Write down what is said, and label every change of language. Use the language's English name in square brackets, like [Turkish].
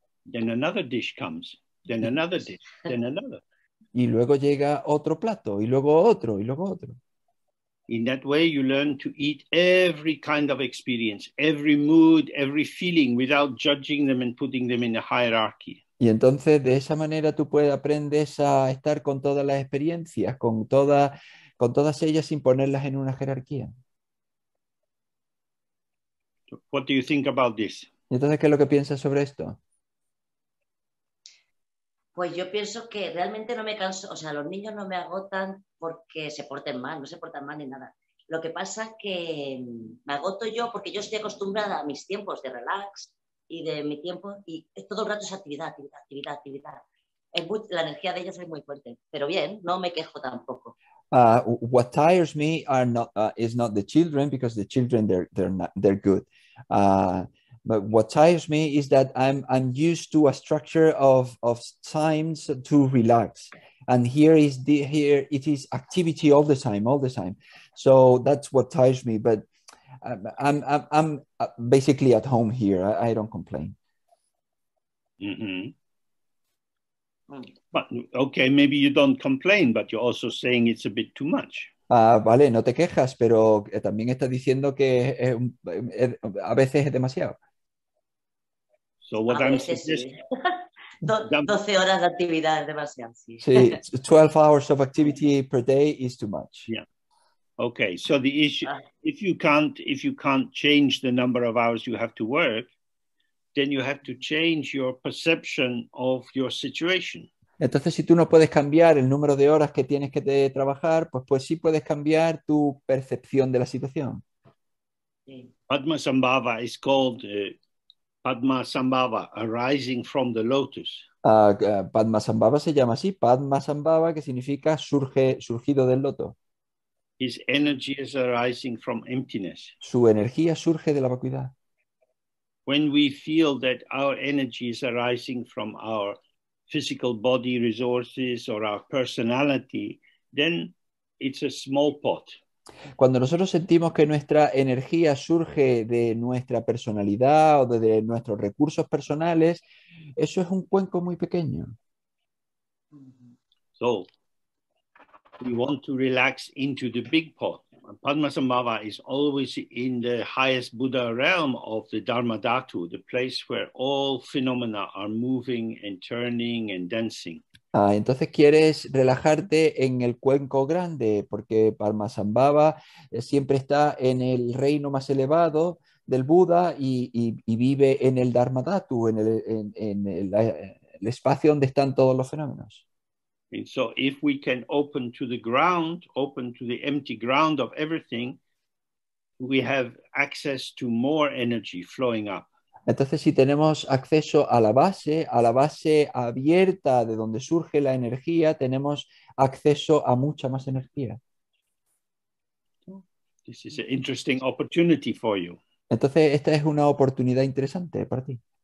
[English] Then another dish comes, then another dish, then another. [Spanish] Y luego llega otro plato, y luego otro, y luego otro. [English] In that way, you learn to eat every kind of experience, every mood, every feeling, without judging them and putting them in a hierarchy. [Spanish] Y entonces de esa manera tú aprendes a estar con todas las experiencias, con todas ellas sin ponerlas en una jerarquía. [English] What do you think about this? [Spanish] Y entonces, ¿qué es lo que piensas sobre esto? Pues yo pienso que realmente no me canso, o sea, los niños no me agotan porque se porten mal, no se portan mal ni nada. Lo que pasa es que me agoto yo porque yo estoy acostumbrada a mis tiempos de relax y de mi tiempo y todo el rato es actividad, actividad, actividad, actividad. La energía de ellos es muy fuerte, pero bien, no me quejo tampoco. [English] What tires me are not is not the children, because the children they're not they're good. But what tires me is that I'm used to a structure of times to relax. And here is the, here it is activity all the time, all the time. So that's what tires me. But I'm basically at home here. I don't complain. Mm-hmm. But okay, maybe you don't complain, but you're also saying it's a bit too much. [Spanish] Vale, no te quejas, pero también estás diciendo que a veces es demasiado. [English] So what a I'm suggesting. [Spanish] 12 horas de actividad es demasiado. [English] Sí. See, 12 hours of activity per day is too much. Yeah. Okay, so the issue, if you can't change the number of hours you have to work, then you have to change your perception of your situation. [Spanish] Entonces, si tú no puedes cambiar el número de horas que tienes que trabajar, pues sí puedes cambiar tu percepción de la situación. [English] Padmasambhava is called Padmasambhava, arising from the lotus. [Spanish] Padmasambhava se llama así, Padmasambhava, que significa surgido del loto. [English] His energy is arising from emptiness. [Spanish] Su energía surge de la vacuidad. [English] When we feel that our energy is arising from our physical body resources or our personality, then it's a small pot. [Spanish] Cuando nosotros sentimos que nuestra energía surge de nuestra personalidad o de nuestros recursos personales, eso es un cuenco muy pequeño. [English] So, we want to relax into the big pot. Padmasambhava is always in the highest Buddha realm of the Dharma Dhatu, the place where all phenomena are moving and turning and dancing. [Spanish] Entonces quieres relajarte en el cuenco grande, porque Padmasambhava siempre está en el reino más elevado del Buda y vive en el Dharma Dhatu, en el espacio donde están todos los fenómenos. [English] And so if we can open to the ground, open to the empty ground of everything, we have access to more energy flowing up. [Spanish] Entonces, si tenemos acceso a la base abierta de donde surge la energía, tenemos acceso a mucha más energía. [English] This is an interesting opportunity for you. [Spanish] Entonces, esta es una oportunidad interesante para ti.